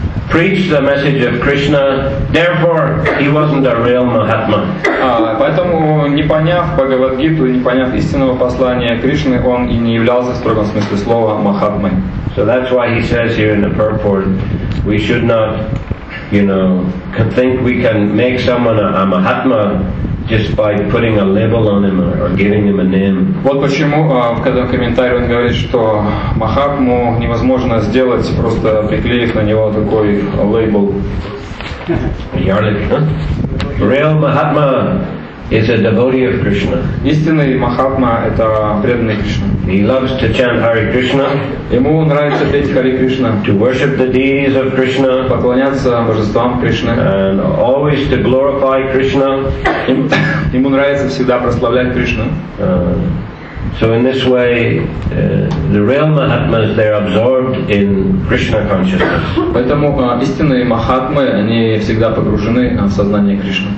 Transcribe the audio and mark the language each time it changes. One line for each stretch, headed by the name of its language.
English: preach the message of Krishna, therefore he wasn't a real Mahatma.
Russian: Поэтому, не поняв Бхагавад-гиту, не поняв истинного послания Кришны, он и не являлся, в строгом смысле слова, Махатмой.
English: So that's why he says here in the purport, we should not, you know, think we can make someone a Mahatma just by putting a label on him or giving him a name.
Russian: Вот почему в каждом комментарии он говорит, что Махатму невозможно сделать, просто приклеив на него такой лейбл. Ярлик,
English: Real Mahatma is a devotee of Krishna.
Russian: Истинный Махатма — это преданный Кришна.
English: He loves to chant Hare Krishna.
Russian: Ему нравится петь Hare Krishna.
English: To worship the deities of Krishna.
Russian: Поклоняться божествам Кришны.
English: And always to glorify Krishna.
Russian: Ему нравится всегда прославлять Кришну.
English: So in this way, the real Mahatmas, they're absorbed in Krishna consciousness.
Russian: Поэтому истинные Махатмы, они всегда погружены в сознание Кришны.